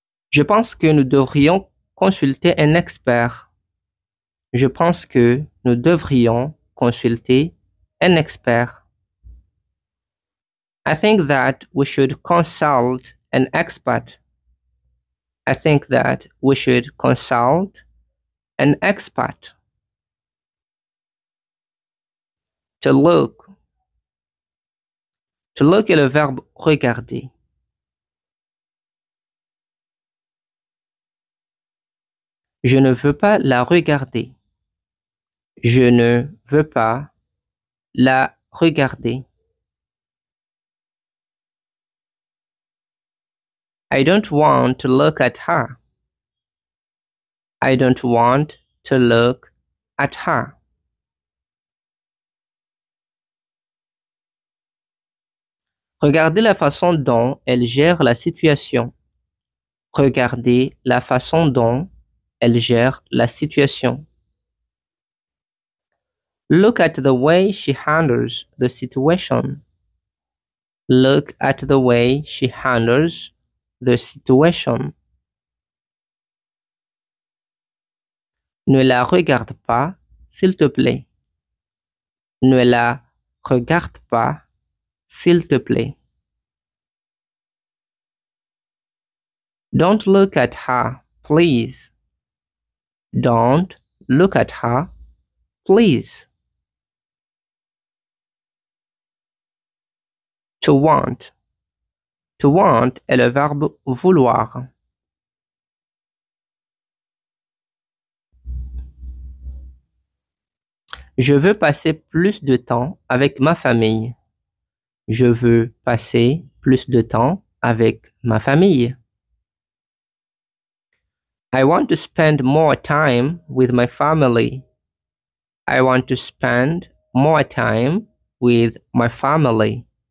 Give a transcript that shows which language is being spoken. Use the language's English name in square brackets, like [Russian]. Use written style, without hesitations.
[French] Je pense que nous devrions consulter un expert. Je pense que nous devrions consulter un expert. [English] I think that we should consult an expert. I think that we should consult an expert. To look. To look [French] est le verbe regarder. Je ne veux pas la regarder. Je ne veux pas la regarder. [English] I don't want to look at her. I don't want to look at her. [French] Regardez la façon dont elle gère la situation. Regardez la façon dont elle gère la situation. [English] Look at the way she handles the situation. Look at the way she handles the situation. [French] Ne la regarde pas, s'il te plaît. Ne la regarde pas, s'il te plaît. [English] Don't look at her, please. Don't look at her, please. To want. [French] To want est le verbe vouloir. Je veux passer plus de temps avec ma famille. Je veux passer plus de temps avec ma famille. [English] I want to spend more time with my family. I want to spend more time with my family.